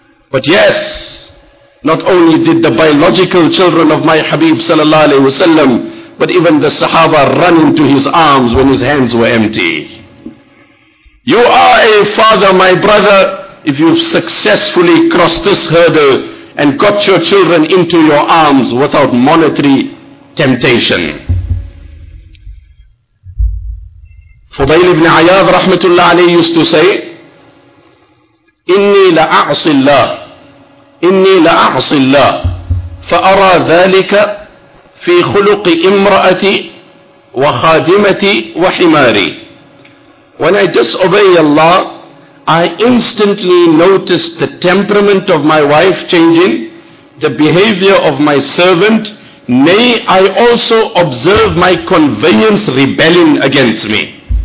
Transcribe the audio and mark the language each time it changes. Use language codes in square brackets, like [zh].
[en] But yes, not only did the biological children of my Habib sallallahu alaihi wasallam, but even the Sahaba run into his arms when his hands were empty. You are a father, my brother, if you've successfully crossed this hurdle and got your children into your arms without monetary temptation. Fudayl ibn Ayyad rahmatullah alayhi used to say, [ar] إِنِّي لَأَعْصِ اللَّهِ إِنِّي لَأَعْصِ اللَّهِ فَأَرَى ذَلِكَ فِي خُلُقِ إِمْرَأَتِي وَخَادِمَتِي وَحِمَارِي. [en] When I disobey Allah, I instantly notice the temperament of my wife changing, the behavior of my servant, nay, I also observe my conveyance rebelling against me.